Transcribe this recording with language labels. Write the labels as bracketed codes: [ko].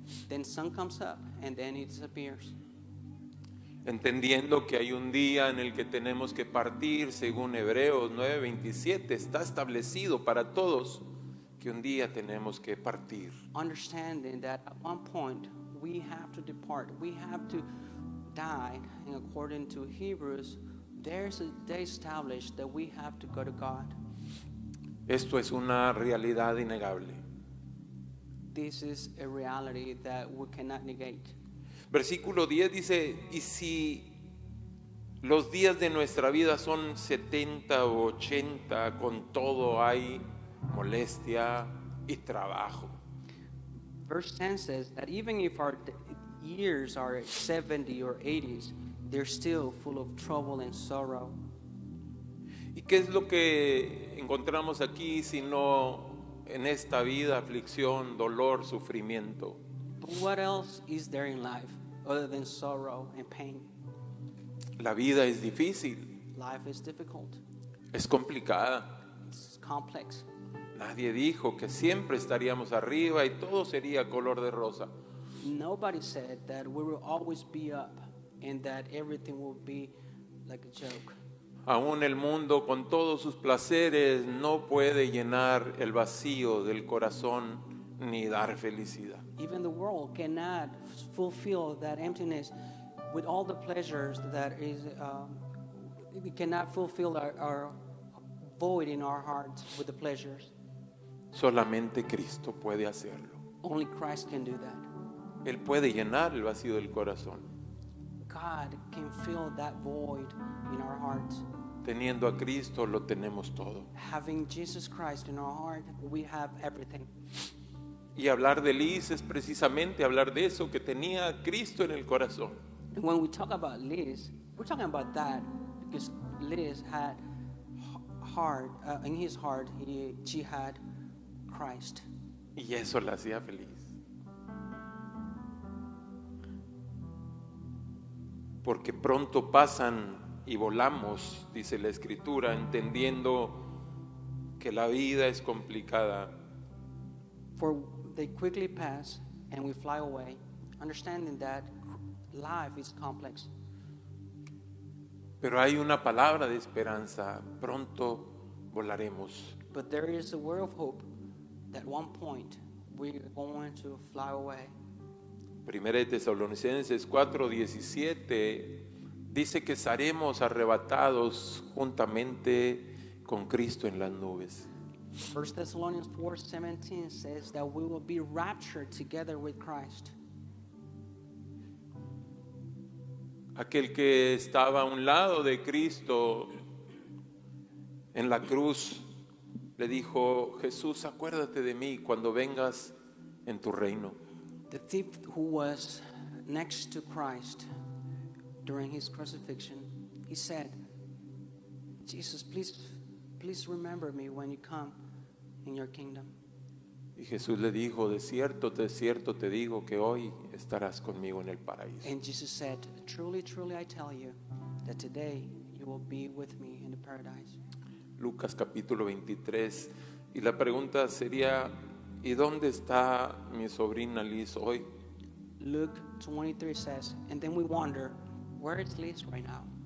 [en] Then sun comes up and then it disappears. [es] Entendiendo que hay un día en el que tenemos que partir, según Hebreos 9:27, está establecido para todos que un día tenemos que partir. [en] Understanding that at one point we have to depart, we have to die, and according to Hebrews, there's a day established that we have to go to God. [es] Esto es una realidad innegable. [en] This is a reality that we cannot negate. [es] Versículo 10 dice, y si los días de nuestra vida son 70 o 80, con todo hay molestia y trabajo. [en] Verse 10 says that even if our years are 70 or 80s, they're still full of trouble and sorrow. [es] ¿Y qué es lo que encontramos aquí sino en esta vida aflicción, dolor, sufrimiento? [en] But what else is there in life other than sorrow and pain? [es] La vida es difícil. [en] Life is difficult. [es] Es complicada. [en] It's complex. [es] Nadie dijo que siempre estaríamos arriba y todo sería color de rosa. [en] Nobody said that we will always be up and that everything will be like a joke. [es] Aún el mundo con todos sus placeres no puede llenar el vacío del corazón ni dar felicidad. [en] Even the world cannot fulfill that emptiness with all the pleasures that is, we cannot fulfill our void in our hearts with the pleasures. [es] Solamente Cristo puede hacerlo. [en] Only Christ can do that. [es] Él puede llenar el vacío del corazón. [en] God can fill that void in our hearts. [es] Teniendo a Cristo lo tenemos todo. [en] Having Jesus Christ in our heart, we have everything. [es] Y hablar de Liz es precisamente hablar de eso, que tenía a Cristo en el corazón. [en] When we talk about Liz, we're talking about that because Liz had heart, in his heart, she had Christ. [es] Y eso la hacía feliz. Porque pronto pasan y volamos, dice la Escritura, entendiendo que la vida es complicada. [en] For they quickly pass and we fly away, understanding that life is complex. [es] Pero hay una palabra de esperanza, pronto volaremos. [en] But there is a word of hope that one point we are going to fly away. [es] Primera de Tesalonicenses 4:17 dice que seremos arrebatados juntamente con Cristo en las nubes. [en] 1 Thessalonians 4:17 says that we will be raptured together with Christ. [es] Aquel que estaba a un lado de Cristo en la cruz le dijo: Jesús, acuérdate de mí cuando vengas en tu reino. [en] The thief who was next to Christ during his crucifixion, he said, Jesus, please remember me when you come in your kingdom. [es] Y Jesús le dijo: de cierto te digo que hoy estarás conmigo en el paraíso. [en] And Jesus said, truly, truly, I tell you that today you will be with me in the paradise. [es] Lucas capítulo 23. Y la pregunta sería: ¿y dónde está mi sobrina Liz hoy? [en] Luke 23 says, and then we wonder, where is Liz right now?